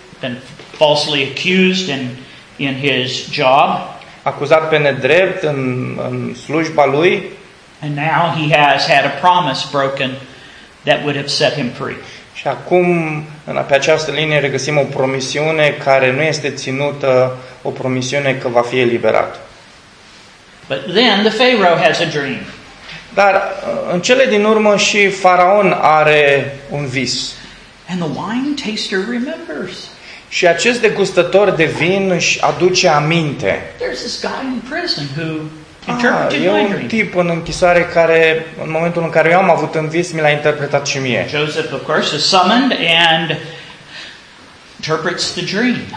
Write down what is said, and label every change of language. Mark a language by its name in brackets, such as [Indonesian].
[English] Been falsely accused in his job. [Romanian] Acuzat pe nedrept în slujba lui. [English] And now he has had a promise broken that would have set him free. [Romanian] Și acum pe această linie regăsim o promisiune care nu este ținută, o promisiune că va fi eliberat. [English] But then the Pharaoh has a dream. [Romanian] Dar în cele din urmă și faraon are un vis. [English] And the wine taster remembers. [Romanian] Și acest degustător de vin își aduce aminte. [English] There's this guy in prison who interpreted my dream. [Romanian] E un tip în închisoare care în momentul în care eu am avut un vis mi l-a interpretat și mie. [English] Joseph of course is summoned and interprets the dream.